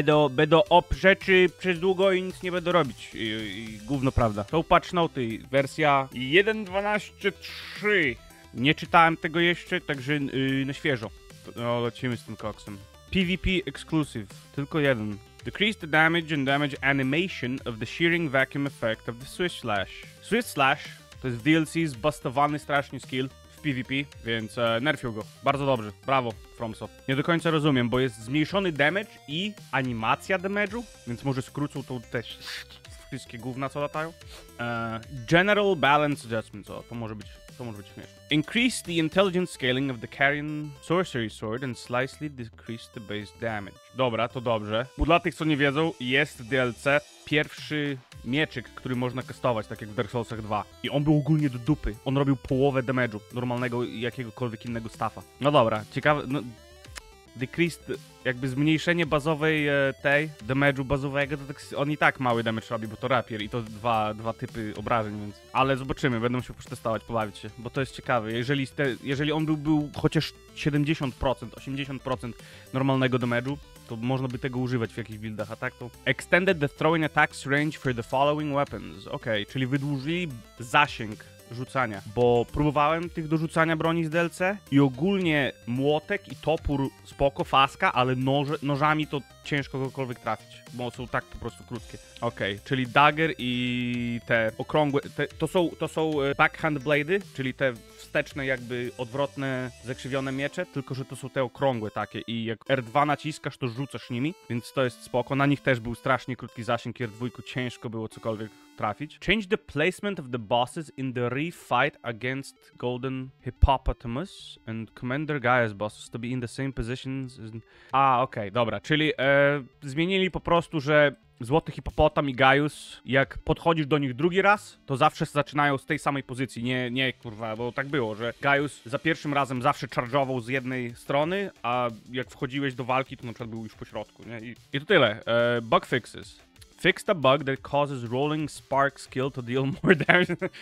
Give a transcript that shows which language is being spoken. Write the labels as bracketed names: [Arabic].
[Polish] Będę op rzeczy przez długo i nic nie będę robić. I gówno prawda. To patch noty, wersja 1.12.3. Nie czytałem tego jeszcze, także na świeżo. No, lecimy z tym koksem. PvP exclusive. Tylko jeden. [English] Decrease the damage and damage animation of the shearing vacuum effect of the Swift Slash. [Polish] Swift Slash to jest DLC zbustowany strasznie skill w PvP, więc nerfił go. Bardzo dobrze. Brawo, FromSoft. Nie do końca rozumiem, bo jest zmniejszony damage i animacja damage'u, więc może skrócą to też wszystkie gówna, co latają. [English] General Balance Adjustment, [Polish] co to może być. [English] Increase the intelligence scaling of the Carrion Sorcery Sword and slightly decrease the base damage. [Polish] Dobra, to dobrze. Bo dla tych, co nie wiedzą, jest w DLC pierwszy mieczyk, który można kastować, tak jak w Dark Soulsach 2. I on był ogólnie do dupy. On robił połowę damage'u normalnego jakiegokolwiek innego staffa. No dobra, ciekawe... No, decrease... Jakby zmniejszenie bazowej tej damage'u bazowego, to tak, on i tak mały damage robi, bo to rapier i to dwa typy obrażeń, więc... Ale zobaczymy, będę musiał przetestować, pobawić się, bo to jest ciekawe. Jeżeli on był chociaż 70%, 80% normalnego damage'u, to można by tego używać w jakichś buildach, a tak to... [English] Extended the throwing attacks range for the following weapons. [Polish] Okej, czyli wydłużyli zasięg rzucania, bo próbowałem tych do rzucania broni z DLC i ogólnie młotek i topór spoko, faska, ale nożami to ciężko kogokolwiek trafić, bo są tak po prostu krótkie. Okej, okay, czyli dagger i te okrągłe, to są backhand blady, czyli te wsteczne jakby odwrotne zakrzywione miecze, tylko że to są te okrągłe takie i jak R2 naciskasz, to rzucasz nimi, więc to jest spoko. Na nich też był strasznie krótki zasięg, R2 ciężko było cokolwiek trafić. [English] Change the placement of the bosses in the refight against Golden Hippopotamus and Commander Gaia's bosses to be in the same positions. [Polish] Okej, dobra, czyli zmienili po prostu, że Złoty Hipopotam i Gaius, jak podchodzisz do nich drugi raz, to zawsze zaczynają z tej samej pozycji. Nie, kurwa, bo tak było, że Gaius za pierwszym razem zawsze charge'ował z jednej strony, a jak wchodziłeś do walki, to na przykład był już po środku, nie? I to tyle. [English] Bug fixes. Fix the bug that causes rolling spark skill to deal more damage.